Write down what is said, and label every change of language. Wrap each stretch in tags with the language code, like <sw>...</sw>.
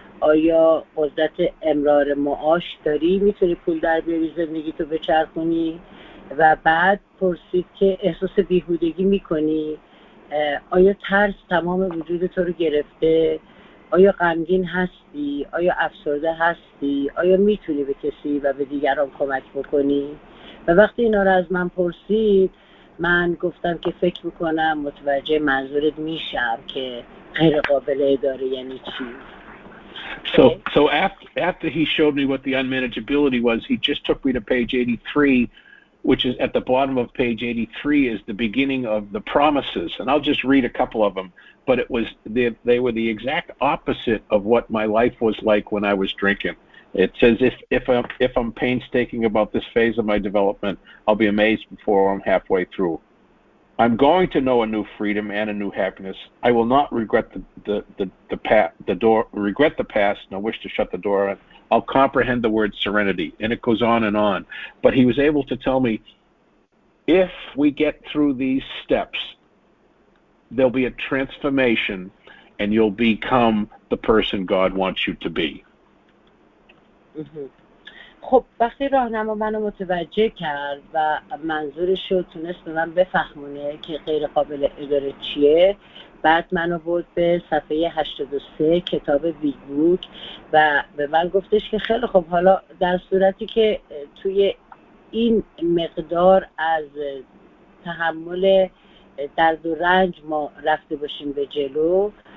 <fa>آیا قدرت امرار معاش داری؟ میتونی پول در بیاری زندگی تو بچرخونی؟ و بعد پرسید که احساس بیهودگی میکنی؟ آیا ترس تمام وجود تو رو گرفته؟ آیا غمگین هستی؟ آیا افسرده هستی؟ آیا میتونی به کسی و به دیگران کمک بکنی؟ و وقتی اینا رو از من پرسید، من گفتم که فکر میکنم متوجه منظورت میشم که غیر قابل اداره یعنی چی؟</fa> <en>So after he showed me what the unmanageability was, he just took me to page 83, which is at the bottom of page 83 is the beginning of the promises. And I'll just read a couple of them. But it was they were the exact opposite of what my life was like when I was drinking. It says, if I'm painstaking about this phase of my development, I'll be amazed before I'm halfway through. I'm going to know a new freedom and a new happiness. I will not regret regret the past, nor wish to shut the door. I'll comprehend the word serenity, and it goes on and on. But he was able to tell me, if we get through these steps, there'll be a transformation, and you'll become the person God wants you to be. Mm-hmm.</en> <fa>خب وقتی راهنما منو متوجه کرد و منظورش رو تونست به من بفهمونه که غیر قابل اداره چیه، بعد منو برد به صفحه 83 کتاب بیگ بوک و به من گفتش که خیلی خب، حالا در صورتی که توی این مقدار از تحمل درد و رنج ما رفته باشیم به جلو،</fa>